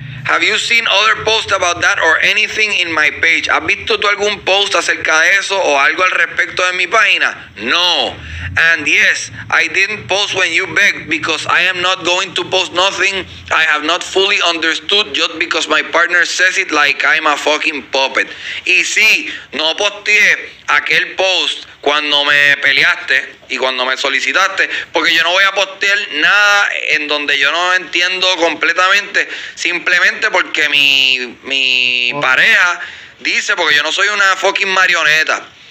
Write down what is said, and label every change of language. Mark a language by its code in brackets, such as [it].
[en] Have you seen other posts about that or anything in my page? [es] ¿Has visto tú algún post acerca de eso o algo al respecto de mi página? No. [en] And yes, I didn't post when you begged because I am not going to post nothing I have not fully understood just because my partner says it like I'm a fucking puppet. [es] Y sí, no posteé aquel post cuando me peleaste y cuando me solicitaste, porque yo no voy a postear nada en donde yo no entiendo completamente, simplemente porque mi pareja dice, porque yo no soy una fucking marioneta.